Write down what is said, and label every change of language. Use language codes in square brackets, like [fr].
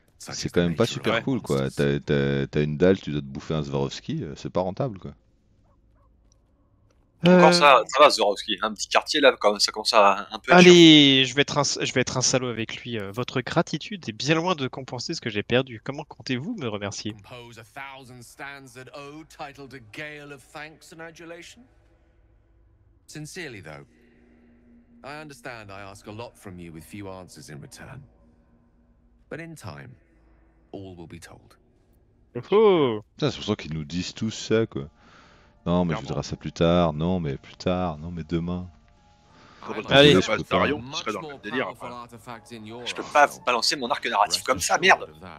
[fr] C'est quand même pas super cool, quoi. T'as une dalle, tu dois te bouffer un Swarovski, c'est pas rentable, quoi. Encore ça va, Swarovski, un petit quartier là, quand ça commence à un peu. Allez, je vais être un salaud avec lui. Votre gratitude est bien loin de compenser ce que j'ai perdu. Comment comptez-vous me remercier? [en] Compose a thousand stanzas that owe titled a gale of thanks and adulation. Sincerely though, I understand I ask a lot from you with few answers in return. But in time, all will be told. [fr] Ça, c'est pour ça qu'ils nous disent tous ça, quoi. Non, mais clairement. Je voudrais ça plus tard. Non, mais plus tard. Non, mais demain. Allez, je peux pas. Tu serais dans le délire. Après. Je peux pas vous balancer mon arc narratif comme ça, merde.